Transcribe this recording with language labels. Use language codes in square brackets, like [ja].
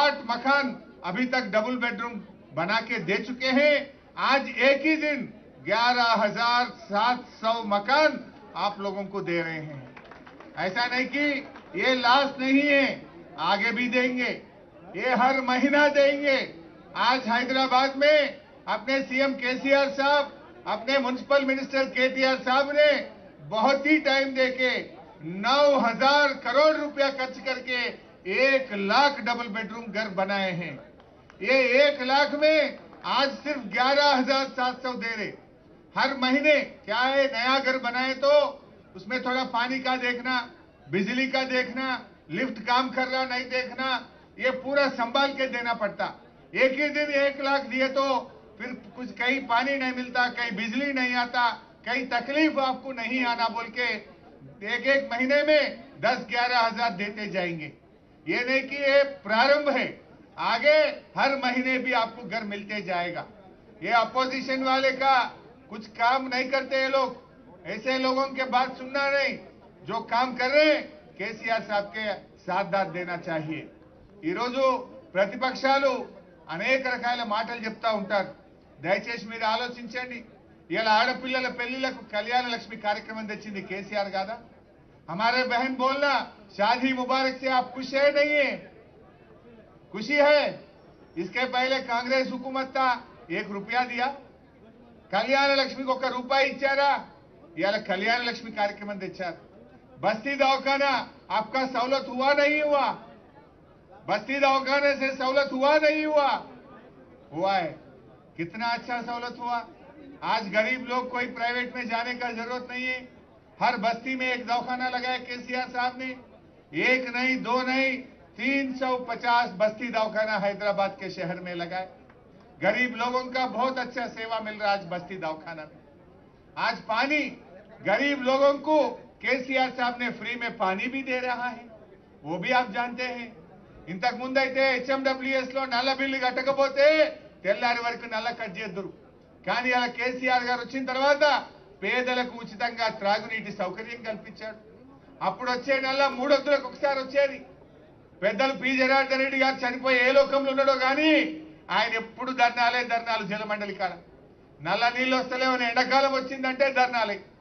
[hi] मकान अभी तक डबल बेडरूम बना के दे चुके हैं आज एक ही दिन 11,700 मकान आप लोगों को दे रहे हैं ऐसा नहीं कि ये लास्ट नहीं है आगे भी देंगे ये हर महीना देंगे आज हैदराबाद में अपने सीएम केसीआर साहब, अपने म्युनिसिपल मिनिस्टर केटीआर साहब ने बहुत ही टाइम देके 9000 करोड़ रुपया खर्च करके 1 लाख डबल बेडरूम घर बनाए हैं। ये 1 लाख में आज सिर्फ 11,700 दे रहे। हर महीने क्या है, नया घर बनाए तो उसमें थोड़ा पानी का देखना, बिजली का देखना, लिफ्ट काम कर रहा नहीं देखना, ये पूरा संभाल के देना पड़ता। एक ही दिन 1 लाख दिए तो फिर कुछ कहीं पानी नहीं मिलता, कहीं बिजली नहीं आता, कहीं तकलीफ आपको नहीं आना बोल के एक एक महीने में 10-11 हजार देते जाएंगे। ये नहीं कि ये प्रारंभ है, आगे हर महीने भी आपको घर मिलते जाएगा। ये अपोजिशन वाले का कुछ काम नहीं करते ये लोग, ऐसे लोगों के बात सुनना नहीं जो काम कर रहे हैं। केसीआर साहब के साथ दाद देना चाहिए। [te] ఈరోజు ప్రతిపక్షాలు అనేక రకాల మాటలు చెప్తా ఉంటారు, దయచేసి మీరు ఆలోచించండి। ఇలా ఆడపిల్లల పెళ్లిళ్లకు కళ్యాణ లక్ష్మి కార్యక్రమం తెచ్చింది కేసీఆర్ గాదా, [hi] हमारे बहन बोलना शादी मुबारक से आप खुश है नहीं है, खुशी है? इसके पहले कांग्रेस हुकूमत था, 1 रुपया दिया కళ్యాణ లక్ష్మి को, [te] 1 రూపాయి ఇచ్చారా? ఇలా కళ్యాణ లక్ష్మి కార్యక్రమం తెచ్చారు। [hi] బస్తీ దవకానా आपका सहूलत हुआ नहीं हुआ? बस्ती दवाखाने से सहूलत हुआ नहीं हुआ? हुआ है, कितना अच्छा सहूलत हुआ। आज गरीब लोग कोई प्राइवेट में जाने का जरूरत नहीं है, हर बस्ती में एक दवाखाना लगाया केसीआर साहब ने। एक नहीं, दो नहीं, 350 बस्ती दवाखाना हैदराबाद के शहर में लगाए। गरीब लोगों का बहुत अच्छा सेवा मिल रहा आज बस्ती दवाखाना में। आज पानी गरीब लोगों को केसीआर साहब ने फ्री में पानी भी दे रहा है, वो भी आप जानते हैं। [te] ఇంతక ముందైతే హెచ్ఎండబ్ల్యూఎస్ లో నల్ల బిల్లు కట్టకపోతే తెల్లారి వరకు నల్ల కట్ చేద్దరు, కానీ అలా కేసీఆర్ గారు వచ్చిన తర్వాత పేదలకు ఉచితంగా త్రాగునీటి సౌకర్యం కల్పించారు। అప్పుడు వచ్చే నల్ల 3 వందలకు ఒకసారి వచ్చేది, పెద్దలు పి జనార్దన్ రెడ్డి గారు చనిపోయి ఏ లోకంలో ఉన్నాడో కానీ ఆయన ఎప్పుడు ధర్నాలే ధర్నాలు జలమండలి కాడ, నల్ల నీళ్ళు వస్తలేవని ఎండాకాలం వచ్చిందంటే ధర్నాలే।